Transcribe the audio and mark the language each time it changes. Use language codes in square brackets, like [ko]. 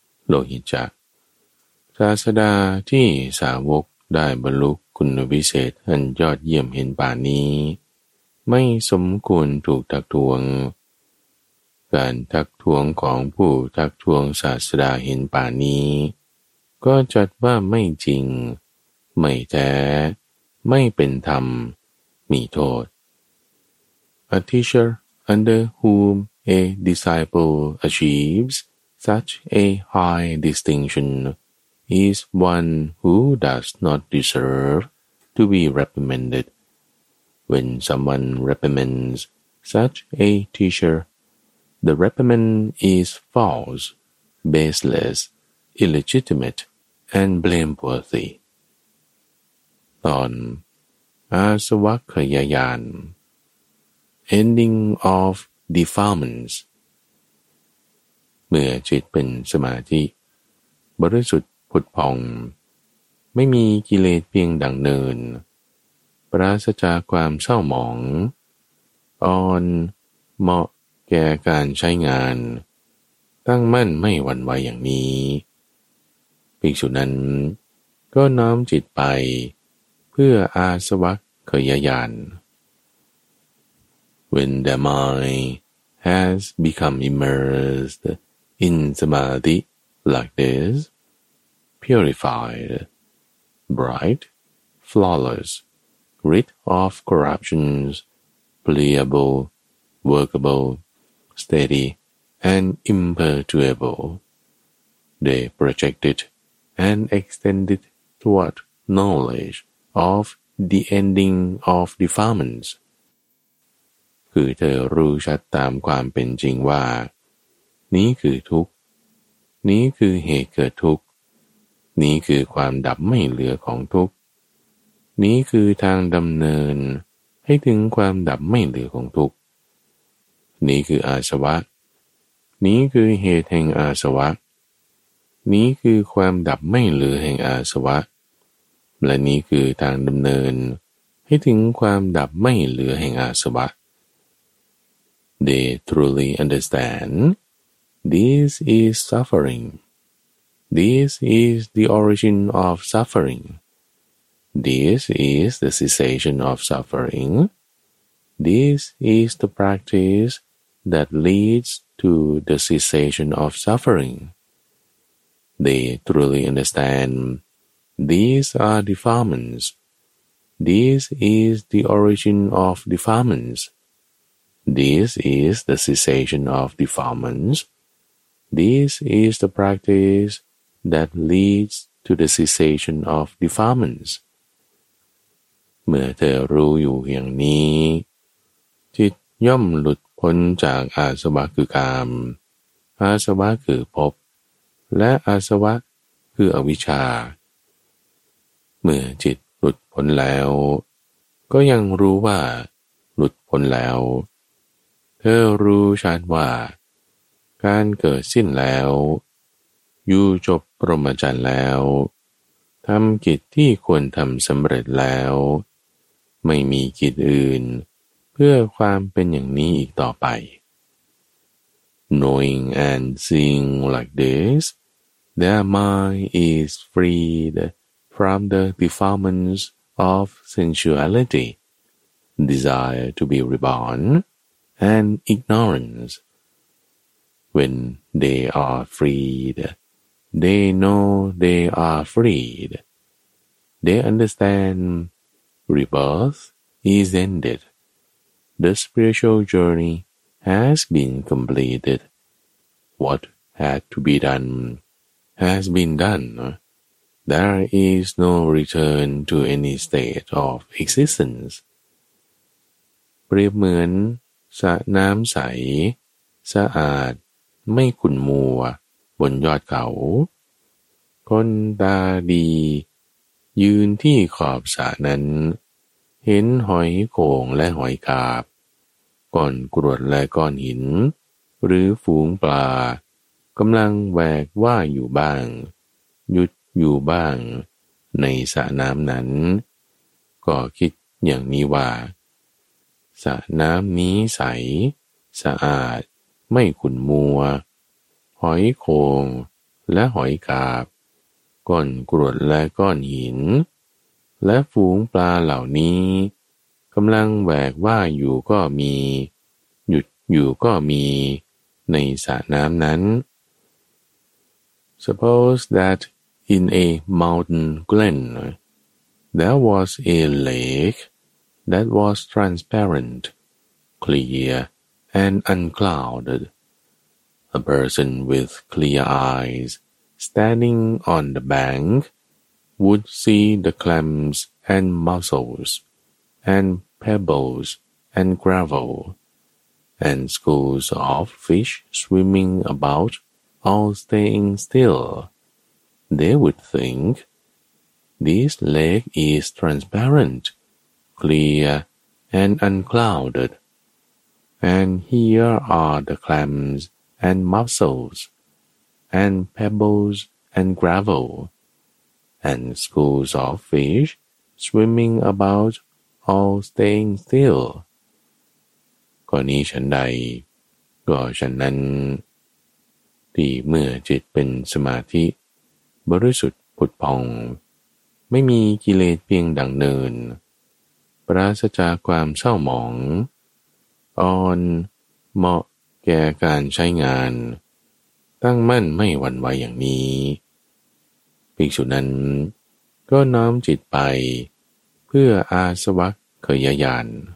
[th] Lohicca ศาสดาที่สาวกได้บรรลุคุณวิเศษอันยอดเยี่ยมเห็นป่านี้ไม่สมควรถูกทักท้วงการทักท้วงของผู้ทักท้วงศาสดาเห็นป่านี้ก็จัดว่าไม่จริงไม่แท้ไม่เป็นธรรมมีโทษ [en] A teacher under whom a disciple achievesSuch a high distinction is one who does not deserve to be reprimanded. When someone reprimands such a teacher, the reprimand is false, baseless, illegitimate, and blameworthy. [th] ตอน อาสวัคคยายาน [en] Ending of defilements. [th] เมื่อจิตเป็นสมาธิบริสุทธิ์ผุดผ่องไม่มีกิเลสเพียงดังเนินปราศจากความเศร้าหมองอ่อนเหมาะแก่การใช้งานตั้งมั่นไม่หวั่นไหวอย่างนี้ภิกษุนั้นก็น้อมจิตไปเพื่ออาสวัคคยายาน [en] When the mind has become immersedIn samadhi like this, purified, bright, flawless, rid of corruptions, pliable, workable, steady, and imperturbable, they projected and extended toward knowledge of the ending of defilements. [th] คือเธอรู้ชัดตามความเป็นจริงว่านี้คือทุกข์นี้คือเหตุเกิดทุกข์นี้คือความดับไม่เหลือของทุกข์นี้คือทางดำเนินให้ถึงความดับไม่เหลือของทุกข์นี้คืออาสวะนี้คือเหตุแห่งอาสวะนี้คือความดับไม่เหลือแห่งอาสวะและนี้คือทางดำเนินให้ถึงความดับไม่เหลือแห่งอาสวะ [en] They truly understandThis is suffering. This is the origin of suffering. This is the cessation of suffering. This is the practice that leads to the cessation of suffering. They truly understand. These are defilements. This is the origin of defilements. This is the cessation of defilements. This is the practice that leads to the cessation of defilements. [th] เมื่อเธอรู้อยู่อย่างนี้จิตย่อมหลุดพ้นจากอาสวะคือกามอาสวะคือภพและอาสวะคืออวิชชา เมื่อจิตหลุดพ้นแล้วก็ยังรู้ว่าหลุดพ้นแล้วเธอรู้ชัดว่าการเกิดสิ้นแล้วอยู่จบปรมาจารย์แล้วทำกิจที่ควรทำสำเร็จแล้วไม่มีกิจอื่นเพื่อความเป็นอย่างนี้อีกต่อไป [en] Knowing and seeing like this, their mind is freed from the defilements of sensuality, desire to be reborn, and ignoranceWhen they are freed, they know they are freed. They understand rebirth is ended. The spiritual journey has been completed. what had to be done has been done. There is no return to any state of existence. [th] เปรียบเหมือนสระน้ำใสสะอาดไม่ขุ่นมัวบนยอดเขาคนตาดียืนที่ขอบสระนั้นเห็นหอยโข่งและหอยกาบก้อนกรวดและก้อนหินหรือฝูงปลากำลังแหวกว่าอยู่บ้างหยุดอยู่บ้างในสระน้ำนั้นก็คิดอย่างนี้ว่า สระน้ำนี้ใสสะอาดไม่ขุ่นมัวหอยโข่งและหอยกาบก้อนกรวดและก้อนหินและฝูงปลาเหล่านี้กำลังแหวกว่าอยู่ก็มีหยุดอยู่ก็มีในสระน้ำนั้น [en] Suppose that in a mountain glen there was a lake that was transparent, clear, and unclouded. A person with clear eyes standing on the bank would see the clams and mussels and pebbles and gravel and schools of fish swimming about all staying still. They would think, this lake is transparent, clear, and unclouded. And here are the clams and mussels and pebbles and gravel, and schools of fish swimming about all staying still. [th] ก็นี้ฉันใดก็ฉันนั้นที่เมื่อจิตเป็นสมาธิบริสุทธิ์ผุดผ่องไม่มีกิเลสเพียงดังเนินปราศจากความเศร้าหมองออนเหมาะแก่การใช้งานตั้งมั่นไม่หวั่นไหวอย่างนี้ภิกษุนั้นก็น้อมจิตไปเพื่ออาสวัคคยญาณ